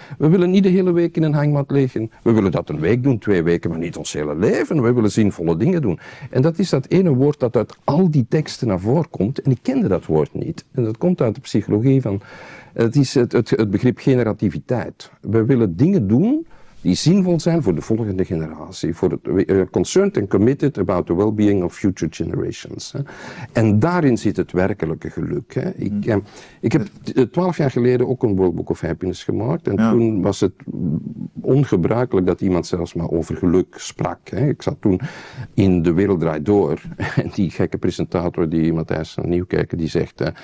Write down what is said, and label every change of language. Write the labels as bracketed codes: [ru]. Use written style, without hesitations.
[nl] We willen niet de hele week in een hangmat liggen. We willen dat een week doen, twee weken, maar niet ons hele leven. We willen zinvolle dingen doen. En dat is dat ene woord dat uit al die teksten naar voren komt. En ik kende dat woord niet. En dat komt uit de psychologie van... Het is het begrip generativiteit. We willen dingen doen die zinvol zijn voor de volgende generatie. [en] Concerned and committed about the well-being of future generations. [nl] Hè. En daarin zit het werkelijke geluk. Hè. Ik heb 12 jaar geleden ook een World Book of Happiness gemaakt. En toen was het ongebruikelijk dat iemand zelfs maar over geluk sprak. Hè. Ik zat toen in De Wereld Draait Door. En die gekke presentator, die Matthijs van Nieuwkerken, die zegt...